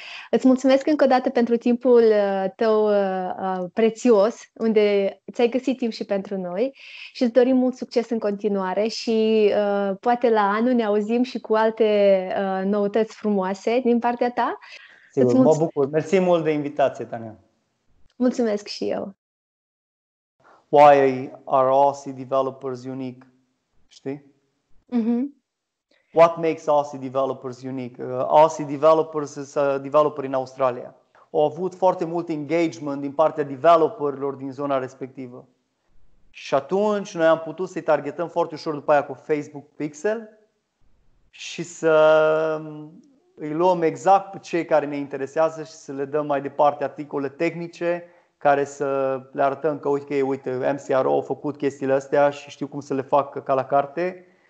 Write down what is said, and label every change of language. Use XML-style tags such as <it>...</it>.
<ro>Îți mulțumesc încă o dată pentru timpul tău prețios, unde ți-ai găsit timp și pentru noi și îți dorim mult succes în continuare și poate la anul ne auzim și cu alte noutăți frumoase din partea ta. Sigur, mă bucur. Mersi mult de invitație, Tania. Mulțumesc și eu.</ro> <en>Why are Aussie developers unique?</en> <ro>Știi? Mm-hmm.</ro> <en>What makes Aussie developers unique? Aussie developers is a developer in Australia.</en> <ro>Au avut foarte mult engagement din partea developerilor din zona respectivă. Și atunci noi am putut să-i targetăm foarte ușor după aia cu Facebook Pixel și să îi luăm exact pe cei care ne interesează și să le dăm mai departe articole tehnice care să le arătăm că uite, MCRO a făcut chestiile astea și știu cum să le fac ca la carte</ro>